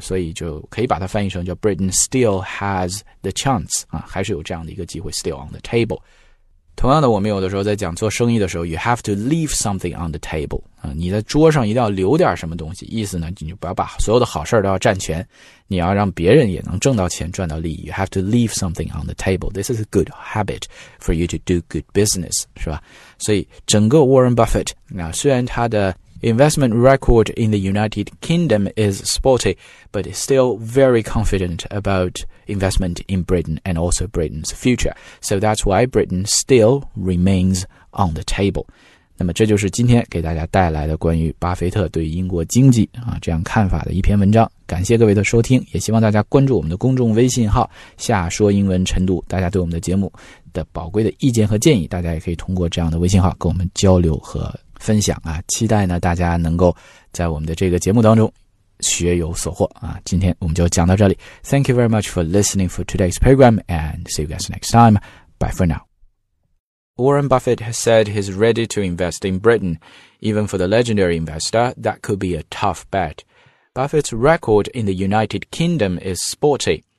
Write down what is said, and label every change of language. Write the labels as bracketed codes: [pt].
[zh] 所以就可以把它翻译成叫 [en] Britain still has the chance、 [zh] 啊、还是有这样的一个机会 still on the table。同样的，我们有的时候在讲做生意的时候 ， [en] you have to leave something on the table [zh] 啊，你在桌上一定要留点什么东西。意思呢，你就不要把所有的好事都要占全，你要让别人也能挣到钱、赚到利益。 [en] You have to leave something on the table. This is a good habit for you to do good business， [zh] 是吧？ [en] 所以整个 Warren Buffett [zh] 啊，虽然他的 [en] investment record in the United Kingdom is spotty， but is still very confident about investment in Britain and also Britain's future. So that's why Britain still remains on the table. [zh] 那么这就是今天给大家带来的关于巴菲特对英国经济啊这样看法的一篇文章。感谢各位的收听，也希望大家关注我们的公众微信号下说英文晨读，大家对我们的节目的宝贵的意见和建议，大家也可以通过这样的微信号跟我们交流和分享啊，期待呢大家能够在我们的这个节目当中学有所获啊！今天我们就讲到这里。 [en] Thank you very much for listening for today's program and see you guys next time. Bye for now. Warren Buffett has said he's ready to invest in Britain. Even for the legendary investor, that could be a tough bet. Buffett's record in the United Kingdom is spotty.